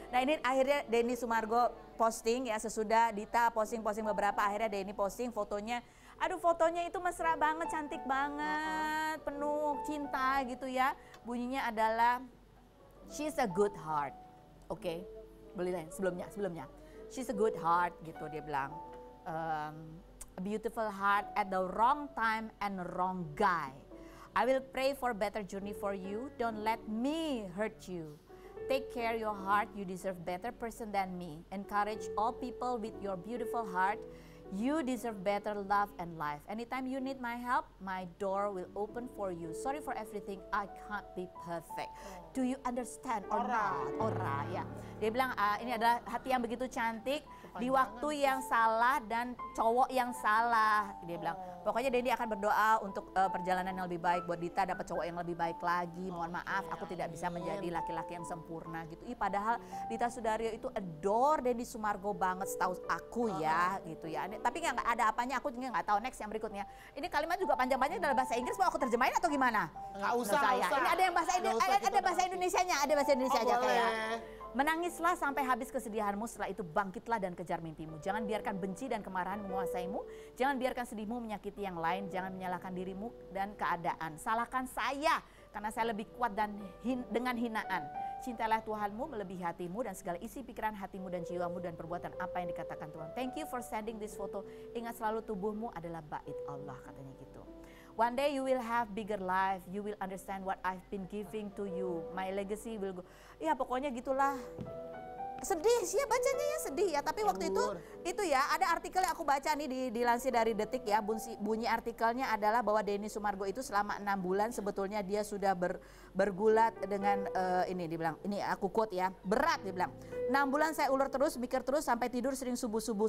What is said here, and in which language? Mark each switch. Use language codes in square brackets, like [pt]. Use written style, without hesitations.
[id] Nah ini akhirnya Denny Sumargo posting ya, sesudah Dita posting-posting beberapa, akhirnya Denny posting fotonya. Aduh, fotonya itu mesra banget, cantik banget, penuh cinta gitu ya. bunyinya adalah [en] she's a good heart. [id] Oke, beli lain sebelumnya. [en] She's a good heart [id] gitu dia bilang. [en] A beautiful heart at the wrong time and wrong guy. I will pray for better journey for you. Don't let me hurt you. Take care your heart. You deserve better person than me. Encourage all people with your beautiful heart. You deserve better love and life. Anytime you need my help, my door will open for you. Sorry for everything. I can't be perfect. Do you understand or not? [jv] Ora, ya. [id] Dia bilang ini adalah hati yang begitu cantik. Di waktu yang salah dan cowok yang salah, dia bilang. Pokoknya Dendi akan berdoa untuk perjalanan yang lebih baik buat Dita dapat cowok yang lebih baik lagi. Mohon maaf, aku tidak bisa menjadi laki-laki yang sempurna gitu. Ih, padahal Dita Sudaryo itu adore Dendi Sumargo banget setahu aku ya, gitu ya. Tapi nggak ada apanya, aku juga nggak tahu next yang berikutnya. Ini kalimat juga panjang-panjang dalam bahasa Inggris, mau aku terjemahin atau gimana? Nggak usah. Ini ada yang bahasa Indonesia-nya, ada bahasa Indonesia aja boleh. Kayak. Menangislah sampai habis kesedihanmu, setelah itu bangkitlah dan kejar mimpimu. Jangan biarkan benci dan kemarahan menguasaimu. Jangan biarkan sedihmu menyakiti yang lain. Jangan menyalahkan dirimu dan keadaan. Salahkan saya karena saya lebih kuat dan dengan hinaan. Cintailah Tuhanmu melebihi hatimu dan segala isi pikiran hatimu dan jiwamu dan perbuatan apa yang dikatakan Tuhan. [en] Thank you for sending this photo. [id] Ingat selalu tubuhmu adalah bait Allah, katanya gitu. [en] One day you will have bigger life. You will understand what I've been giving to you. My legacy will go. [id] Ya pokoknya gitulah. Sedih sih ya bacanya ya, sedih ya. Tapi waktu itu ya ada artikel yang aku baca nih dilansir dari Detik ya. Bunyi artikelnya adalah bahwa Denny Sumargo itu selama 6 bulan sebetulnya dia sudah bergulat dengan ini dibilang. Ini aku quote ya, berat dibilang. 6 bulan saya ulur terus, mikir terus sampai tidur sering subuh-subuh.